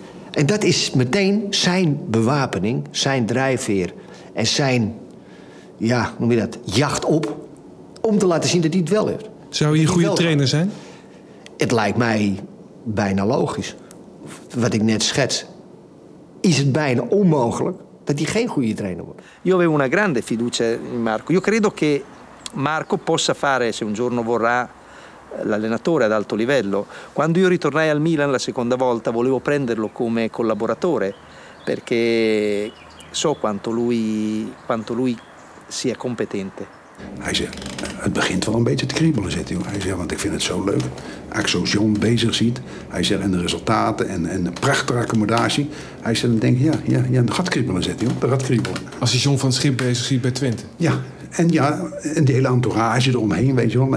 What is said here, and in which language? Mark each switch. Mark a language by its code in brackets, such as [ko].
[nl] En dat is meteen zijn bewapening, zijn drijfveer en zijn, ja, noem je dat, jacht op om te laten zien dat hij het wel heeft. Zou hij een goede trainer zijn? Het lijkt mij bijna logisch, wat ik net schets. Is het bijna onmogelijk dat hij geen goede trainer wordt? [it] Io avevo una grande fiducia in Marco. Io credo che Marco possa fare, se un giorno vorrà, l'allenatore ad alto livello. Quando io ritornai al Milan la seconda volta volevo prenderlo come collaboratore perché so quanto lui sia competente. [nl] Hij zegt, het begint wel een beetje te kriebelen, zegt hij. Hij zegt, want ik vind het zo leuk. Axo John bezig ziet. Hij zegt, en de resultaten en de prachtige accommodatie. Hij zegt, dan denk ik, ja, dat gaat kriebelen, zegt hij. Dat gaat kriebelen. Als hij John van Schip bezig ziet bij Twente. Ja, en die hele entourage eromheen, weet je wel.